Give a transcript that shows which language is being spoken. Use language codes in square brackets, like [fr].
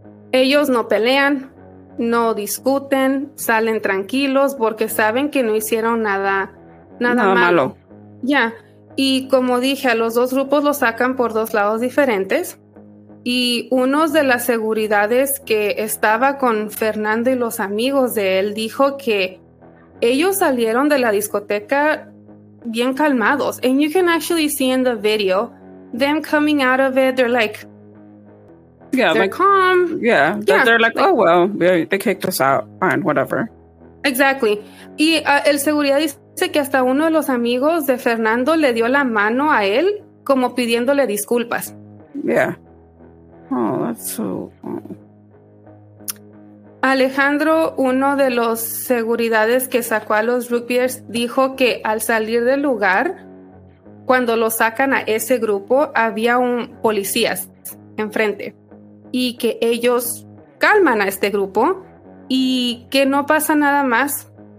[es] Ellos no pelean, no discuten, salen tranquilos porque saben que no hicieron nada malo. Yeah. Y como dije, a los dos grupos los sacan por dos lados diferentes. Y uno de las seguridades que estaba con Fernando y los amigos de él dijo que ellos salieron de la discoteca bien calmados. [en] And you can actually see in the video them coming out of it. They're like, yeah, they're like, calm. Yeah, yeah. They're like, oh, well, they kicked us out. Fine, whatever. Exactly. [es] Y el seguridad dice que hasta uno de los amigos de Fernando le dio la mano a él como pidiéndole disculpas. [en] Yeah. Oh, that's so... [es] Alejandro, uno de los seguridades que sacó a los rugbyers, dijo que al salir del lugar, cuando lo sacan a ese grupo, había un policía enfrente y que ellos calman a este grupo y que no pasa nada más.